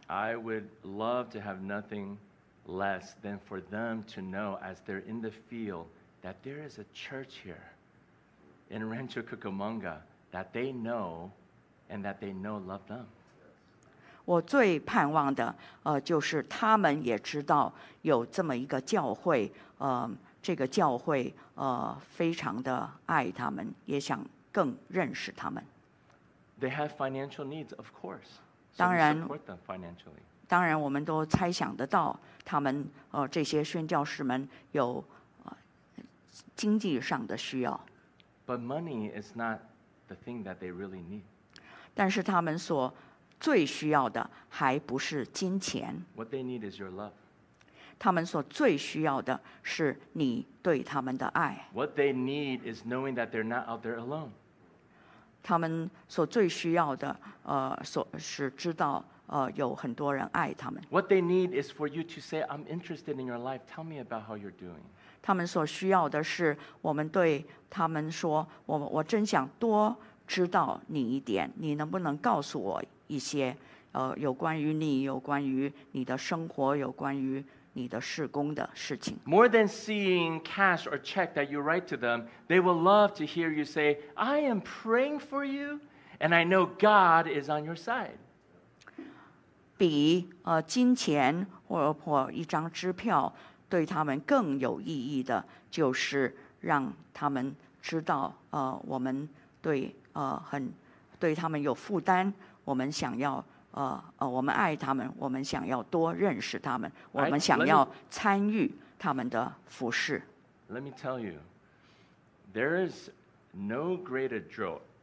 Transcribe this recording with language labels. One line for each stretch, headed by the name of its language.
English: I would love to have nothing less than for them to know as they're in the field that there is a church here in Rancho Cucamonga that they know and that they know love them.
Chinese: 我最盼望的就是他们也知道有这么一个教会这个教会非常的爱他们，也想更认识他们。
English: They have financial needs, of course.
Chinese: 当然
English: support them financially.
Chinese: 当然我们都猜想得到他们这些宣教士们有经济上的需要。
English: But money is not the thing that they really need.
Chinese: 但是他们所最需要的还不是金钱。
English: What they need is your love.
Chinese: 他们所最需要的是你对他们的爱。
English: What they need is knowing that they're not out there alone.
Chinese: 他们所最需要的是知道有很多人爱他们。
English: What they need is for you to say, I'm interested in your life. Tell me about how you're doing.
Chinese: 他们所需要的是我们对他们说，我真想多知道你一点，你能不能告诉我一些有关于你，有关于你的生活，有关于你的事工的事情。
English: More than seeing cash or check that you write to them, they will love to hear you say, I am praying for you, and I know God is on your side.
Chinese: 比金钱或一张支票对他们更有意义的，就是让他们知道我们对他们有负担。我们想要我们爱他们，我们想要多认识他们，我们想要参与他们的服事。
English: Let me tell you, there is no greater joy.